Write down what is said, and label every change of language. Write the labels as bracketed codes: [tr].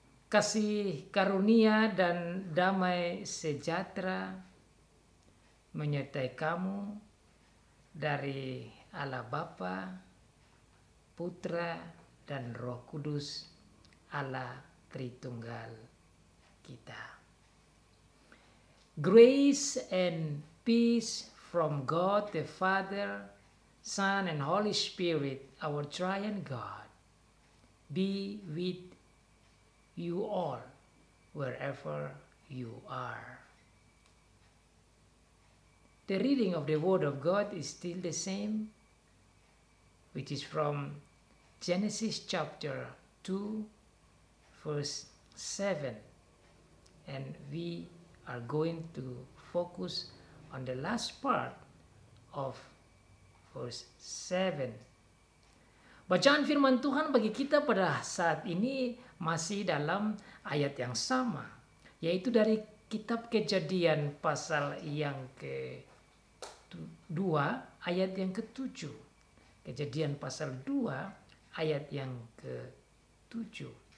[id] Kasih karunia dan damai sejahtera menyertai kamu dari Allah Bapa, Putra, dan Roh Kudus, Allah Tritunggal kita. [en] Grace and peace from God the Father, Son, and Holy Spirit, our triune God, be with you all, wherever you are. The reading of the Word of God is still the same, which is from Genesis chapter 2, verse 7. And we are going to focus on the last part of verse 7. [id] Bacaan firman Tuhan bagi kita pada saat ini masih dalam ayat yang sama, yaitu dari kitab Kejadian pasal yang ke-2 ayat yang ke-7. Kejadian pasal 2 ayat yang ke-7.